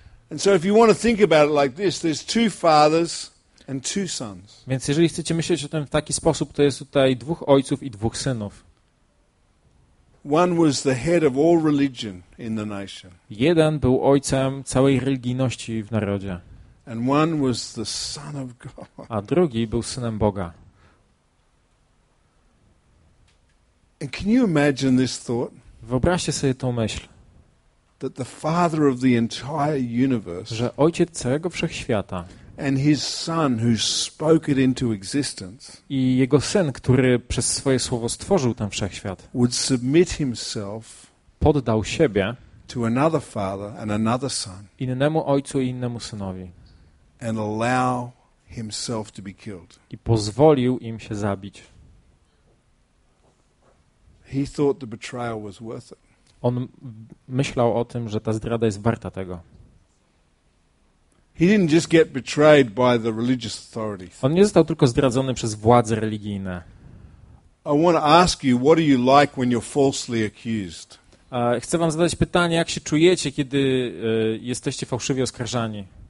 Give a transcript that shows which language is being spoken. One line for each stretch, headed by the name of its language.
English: And so if you want to think about it like this, there's two fathers. And two sons.
Polish: Więc jeżeli chcecie myśleć o tym w taki sposób, to jest tutaj dwóch ojców i dwóch synów.
English: One was the head of all religion in the nation.
Polish: Jeden był ojcem całej religijności w narodzie.
English: And one was the son of God.
Polish: A drugi był synem Boga.
English: And can you imagine this thought?
Polish: Wyobraźcie sobie tą myśl.
English: That the father of the entire universe.
Polish: Że ojciec całego wszechświata.
English: And his son who spoke it into existence.
Polish: I jego syn, który przez swoje słowo stworzył ten wszechświat.
English: Would submit himself.
Polish: Poddał siebie.
English: To another father and another son.
Polish: Innemu ojcu i innemu synowi.
English: And allow himself to be killed.
Polish: I pozwolił im się zabić.
English: He thought the betrayal was worth it.
Polish: On myślał o tym, że ta zdrada jest warta tego.
English: He didn't just get betrayed by the religious authorities.
Polish: On nie został tylko zdradzony przez władze religijne.
English: I want to ask you, what are you like when you're falsely accused?
Polish: Chcę wam zadać pytanie, jak się czujecie, kiedy jesteście fałszywie oskarżani?